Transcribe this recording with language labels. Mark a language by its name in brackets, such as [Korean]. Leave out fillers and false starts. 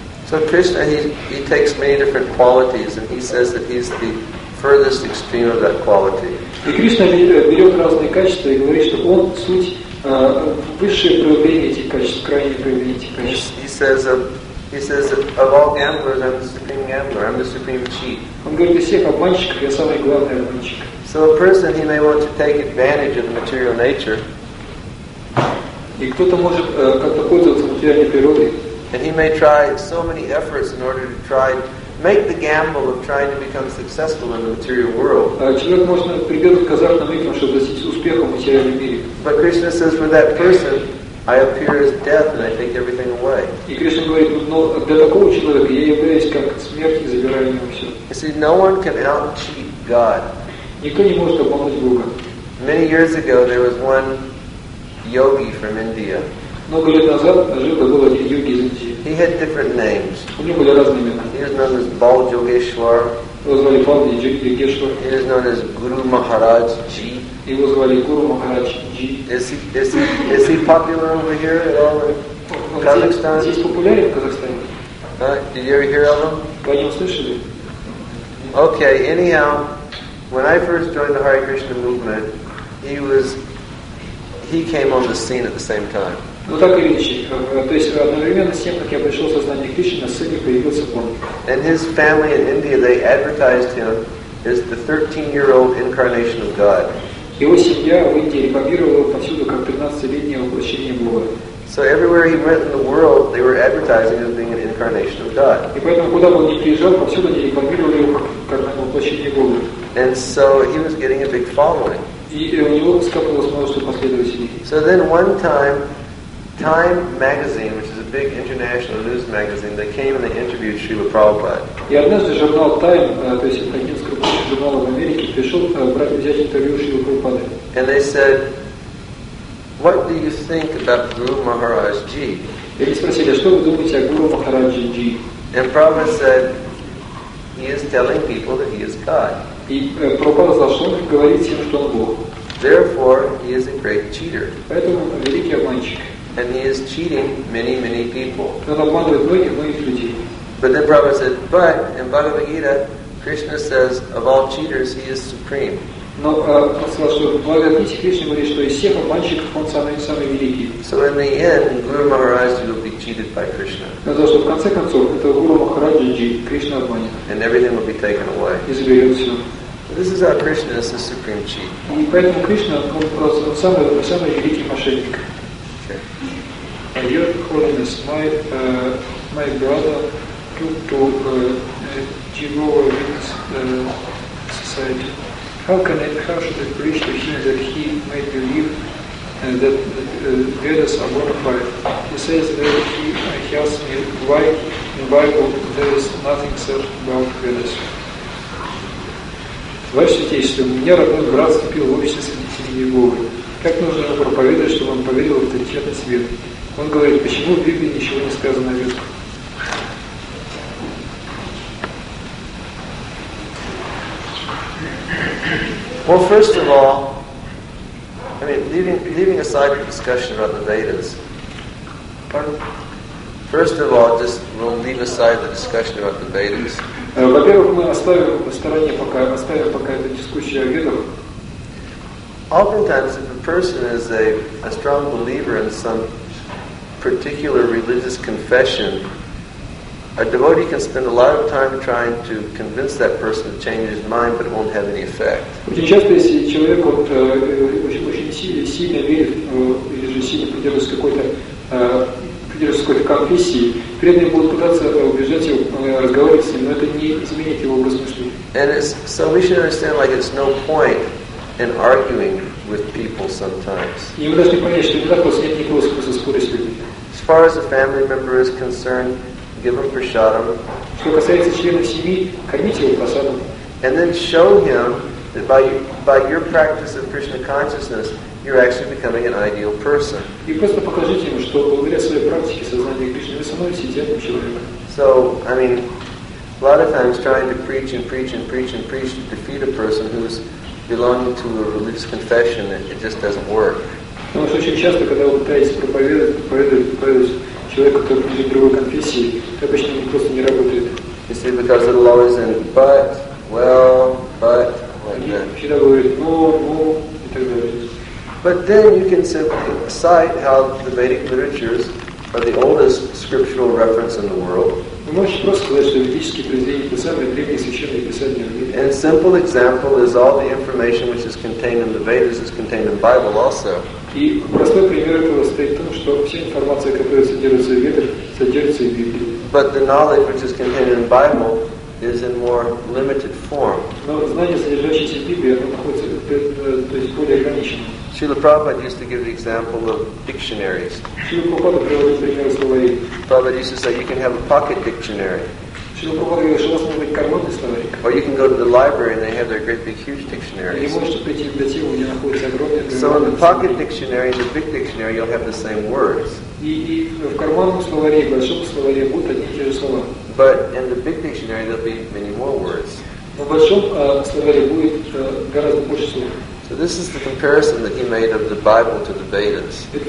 [English] So Krishna, he takes many different qualities and he says that he's the furthest extreme of that quality. [Russian] И Кришна берет разные качества и говорит, что он суть высшее проявление этих качеств, крайнее проявление этих качеств. [English] He says that of all gamblers, I'm the supreme gambler, I'm the supreme cheat. [Russian] Он говорит, из всех обманщиков я самый главный обманщик. [English] So a person, he may want to take advantage of the material nature. [Russian] И кто-то может как-то пользоваться материальной природой. [English] And he may try so many efforts in order to try make the gamble of trying to become successful in the material world. [Russian] Человек может прибегнуть к азартным играм, чтобы достичь успеха в материальном мире. [English] But Krishna says, for that person, I appear as death and I take everything away. [Russian] И Кришна говорит, но для такого человека я являюсь как смерть и забираю у него все. [English] You see, no one can out-cheat God. [Russian] Никто не может обмануть Бога. [English] Many years ago, there was one yogi from India. [Russian] Много лет назад жил был один йоги из Индии. [English] He had different names. [Russian] У него были разные имена. [English] He was known as Бал Йогешвар. [Russian] Его звали Бал Йогешвар. [English] He was known as Guru Maharaj Ji. [Russian] Его звали Гуру Махарадж Ji. [English] Is he popular over here at all in Kazakhstan? [Russian] Здесь популярен в Казахстане. [English] Did you ever hear of him? [Russian] Вы о нем слышали? [English] Okay, anyhow, when I first joined the Hare Krishna movement, he came on the scene at the same time. [Russian] Ну так и речь. То есть одновременно с тем, как я пришел в сознание Кришны, на сцене появился он. [English] And his family in India, they advertised him as the 13-year-old incarnation of God. [Russian] Его семья в Индии рекламировала повсюду как 13-летнее воплощение Бога. [English] So everywhere he went in the world, they were advertising him as being an incarnation of God. [Russian] И поэтому, куда бы он ни приезжал, повсюду они рекламировали его как воплощение Бога. [English] And so he was getting a big following. [Russian] И у него скапывалось множество последователей. [English] So then one time, Time magazine, which is a big international news magazine, they came and they interviewed Srila Prabhupada. [Russian] И однажды журнал Time, то есть это один из крупнейших журналов в Америке, пришел взять интервью Шрилы Прабхупады. [English] And they said, "What do you think about Guru Maharaj Ji?" [Russian] И они спросили, что вы думаете о Гуру Махараджи Ji? [English] And Prabhupada said, "He is telling people that he is God." [Russian] И Прабхупада сказал, что он говорит всем, что он Бог. [English] Therefore, he is a great cheater. [Russian] Поэтому он великий обманщик. [English] And he is cheating many, many people. [Russian] Он обманывает многих людей. [English] But then Prabhupada said, but in Bhagavad Gita, Krishna says, of all cheaters, he is supreme. [Russian] Но он сказал, что в Бхагавад Гите Кришна говорит, что из всех обманщиков он самый великий. [English] So in the end, Guru Maharaj will be cheated by Krishna. [Russian] Сказал, что в конце концов, это Гуру Махарадж Ji, Кришна обманет. [English] And everything will be taken away. [Russian] И заберет все. [English] This is how Krishna is the supreme cheat. [Russian] И поэтому Кришна, он самый великий мошенник. [English] Your Holiness, my brother took to Jehovah Witness Society. How should I preach to him that he may believe that Vedas are bona fide? He says that he asked me why in the Bible there is nothing said about Vedas. [Russian] Ваше святейшество, у меня родной брат вступил в общество свидетелей Иеговы. Как нужно проповедовать, чтобы он поверил в авторитетный свет? Он говорит, почему в Библии ничего не сказано о Ветках? [English] Well, first of all, I mean, leaving aside the discussion about the Vedas. Pardon? First of all, just we'll leave aside the discussion about the Vedas. [Russian] Во-первых, мы оставим пока эту дискуссию о Ведах. [English] Oftentimes, if a person is a strong believer in some particular religious confession, a devotee can spend a lot of time trying to convince that person to change his mind, but it won't have any effect. [Russian] Очень часто, если человек очень сильно верит или же сильно придерживается какой-то конфессии, преданные будут пытаться убежать его, разговаривать с ним, но это не изменит его образ мышления. [English] And it's, so we should understand, like, it's no point in arguing with people sometimes. [Russian] И мы должны понять, что иногда просто нет никакого смысла спорить с людьми. [English] As far as a family member is concerned, give him prasadam. [Russian] Что касается членов семьи, кормите его прасадом. [English] And then show him that by your practice of Krishna consciousness, you're actually becoming an ideal person. So, I mean, a lot of times trying to preach and preach and preach and preach to defeat a person who's belonging to a religious confession, it just doesn't work. [Russian] Потому что очень часто, когда вы пытаетесь проповедовать человеку, который из другой конфессии, это обычно просто не работает. [English] You see, because it always in but, well, but, and then. [Russian] Всегда говорит, ну, и так далее. [English] But then you can simply cite how the Vedic literatures are the oldest scriptural reference in the world. [Russian] Вы можете просто сказать, что ведические произведения это самые древние священные писания в мире. [English] And simple example is all the information which is contained in the Vedas is contained in Bible also. [Russian] И простой пример этого состоит в том, что вся информация, которая содержится в Ведах, содержится и в Библии. [English] But the knowledge which is contained in the Bible is in more limited form. [Russian] Но знание, содержащееся в Библии, оно находится, то есть более ограничено. [English] Srila Prabhupada used to give the example of dictionaries. [Russian] Srila Prabhupada приводил пример словарей. [English] Prabhupada used to say, you can have a pocket dictionary. [Russian] Srila Prabhupada говорил, что у вас может быть карманный словарик. [English] Or you can go to the library and they have their great big huge dictionaries. [Russian] Или можете прийти в библиотеку, где находится огромный словарик. [English] So in the pocket dictionary and the big dictionary, you'll have the same words. [Russian] И в карманном словаре, в большом словаре будут одни и те же слова. [English] But in the big dictionary, there'll be many more words. [Russian] В большом словаре будет гораздо больше слов. [English] So this is the comparison that he made of the Bible to the Vedas.